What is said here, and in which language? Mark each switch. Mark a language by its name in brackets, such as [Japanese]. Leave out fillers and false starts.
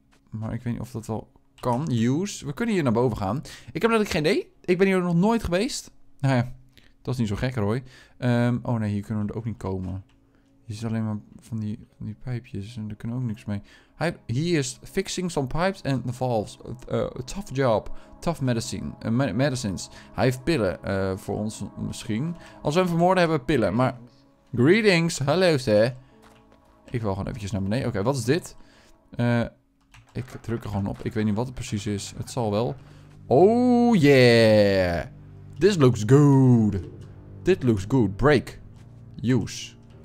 [Dutch] Maar ik weet niet of dat wel kan. Use. We kunnen hier naar boven gaan. Ik heb letterlijk geen idee. Ik ben hier nog nooit geweest. Nou ja, dat is niet zo gek, Roy. Oh nee, hier kunnen we er ook niet komen. Hier zit alleen maar van die pijpjes. En daar kunnen we ook niks mee. Hier is [English] fixing some pipes and the valves. Tough job. Tough medicine. Medicines. [Dutch] Hij heeft pillen voor ons misschien. Als we hem vermoorden hebben we pillen. Maar [English] greetings. [Dutch] Hallo ze. Ik wil gewoon eventjes naar beneden. Oké, wat is dit? Ik druk er gewoon op. Ik weet niet wat het precies is. Het zal wel. [English] Oh yeah. This looks good. This looks good. Break. Use.